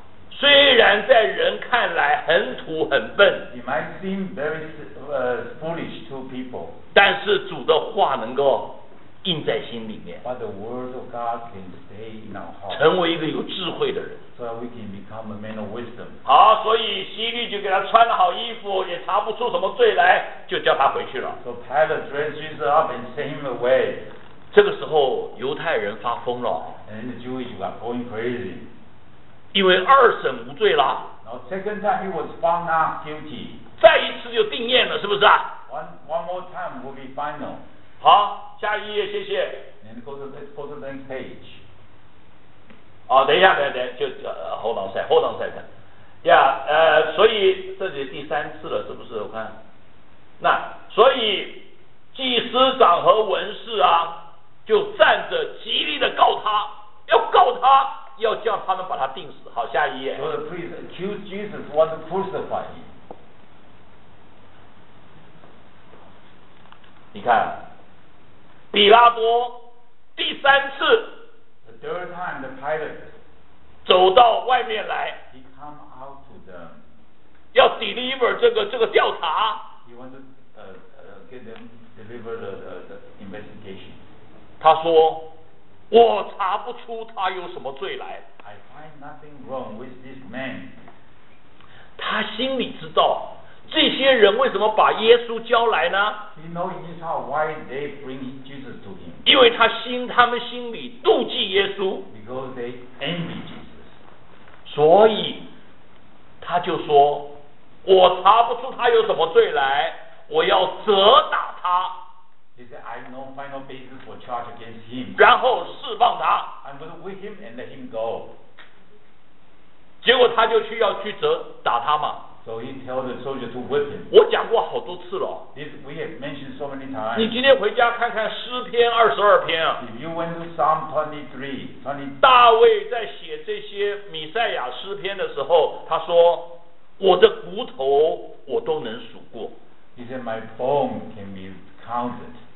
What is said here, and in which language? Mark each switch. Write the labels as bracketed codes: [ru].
[zh] 虽然在人看来很土很笨， [en] It might seem very foolish to people, [zh] 但是主的话能够印在心里面， [en] But the word of God can stay in our heart, [zh] 成为一个有智慧的人， [en] so we can become a man of wisdom. [zh] 好，所以希律就给他穿了好衣服，也查不出什么罪来，就叫他回去了。 [en] So Pilate dressed Jesus up and sent him away. [zh] 这个时候犹太人发疯了， [en] And the Jewish were going crazy. [zh] 因为二审无罪了， [en] Now, second time he was found not guilty. [zh] 再一次就定验了，是不是啊？ [en] One more time will be final. [zh] 好，下一页，谢谢。 [en] And go to the next page. [zh] 哦，等一下，就 [en] hold on a second. Yeah, [zh] 所以这里第三次了，是不是？我看，那所以祭司长和文士啊，就站着极力的告他，要告他。要叫他们把他钉死。好，下一页。 [en] So the priest accused Jesus, want to crucify him. [zh] 你看，比拉多第三次 [en] ，the third time the Pilate [zh] 走到外面来 [en] ，he come out to them. [zh] 要 deliver 这个调查。 [en] He want to get them deliver the investigation. [zh] 他说。我查不出他有什么罪来。 [en] I find nothing wrong with this man. [zh] 他心里知道这些人为什么把耶稣交来呢？ [en] He knows in his heart why they bring Jesus to him. [zh] 因为他们心里妒忌耶稣。 [en] Because they envy Jesus. [zh] 所以他就说，我查不出他有什么罪来，我要责打他。 [en] He said, "I have no final basis for charge against him." [zh] 然后释放他。 [en] I'm going to whip him and let him go. [zh] 结果他就去要去责打他嘛。 [en] So he tells the soldier to whip him. [zh] 我讲过好多次了。 [en] This we have mentioned so many times. [zh] 你今天回家看看诗篇二十二篇。 [en] If you went to Psalm 23, [zh] 大卫在写这些弥赛亚诗篇的时候，他说：“我的骨头我都能数过。” [en] He said, "My bone can be." Counted.